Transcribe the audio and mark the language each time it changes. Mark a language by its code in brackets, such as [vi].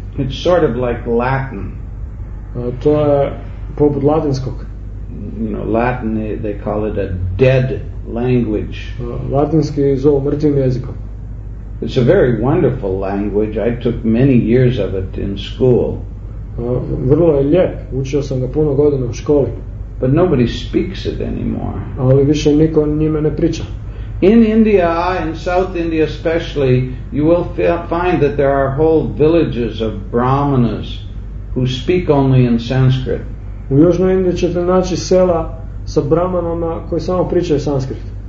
[en] It's sort of like Latin. [hr] To je poput latinskog. [en] You know, Latin, they call it a dead language. [hr] Latinski zovu mrtvim jezikom. [en] It's a very wonderful language. I took many years of it in school. [hr] Vrlo je lijep, učio sam ga puno godina u školi. [en] But nobody speaks it anymore. [hr] Ali više niko njime ne priča. [en] In India, in South India especially, you will find that there are whole villages of brahmanas who speak only in Sanskrit. [hr] U Južnoj Indiji ćete naći sela sa brahmanama koji samo pričaju sanskrit.